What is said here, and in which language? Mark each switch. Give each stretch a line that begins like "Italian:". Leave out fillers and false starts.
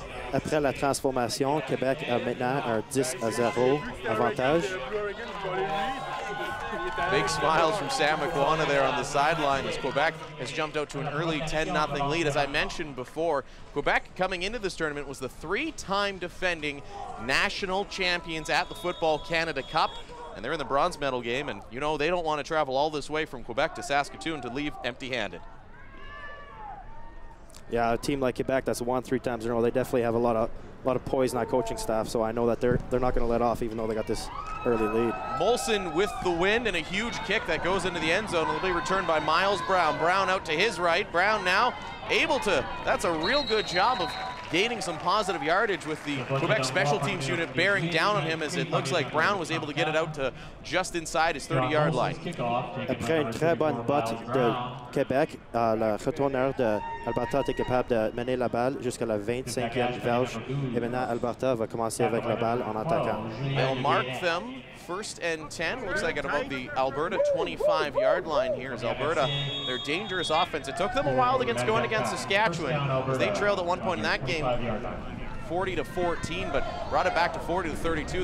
French: Après la transformation, Québec a maintenant un 10-0 avantage.
English: Big smiles from Sam McWanda there on the sideline as Quebec has jumped out to an early 10-0 lead. As I mentioned before, Quebec coming into this tournament was the three-time defending national champions at the Football Canada Cup, and they're in the bronze medal game, and you know they don't want to travel all this way from Quebec to Saskatoon to leave empty-handed. Yeah, a team like Quebec that's won 3 times in a row, they definitely have a lot of poise in that coaching staff, so I know that they're not going to let off even though they got this early lead. Molson with the wind and a huge kick that goes into the end zone. It'll be returned by Miles Brown. Brown out to his right. Brown now able to, that's a real good job of gaining some positive yardage with the Quebec special teams unit bearing down on him, as it looks like Brown was able to get it out to just inside his 30-yard line.
French: Après une très bonne botte de Québec, le retourneur de Alberta était capable de mener la balle jusqu'à la 25e verge. Et maintenant, Alberta va commencer avec la balle en attaquant.
English: They'll mark them. First and 10, looks like at about the Alberta 25-yard line here is Alberta. They're dangerous offense. It took them a while against going against Saskatchewan. They trailed at one point in that game 40-14, but brought it back to 40-32.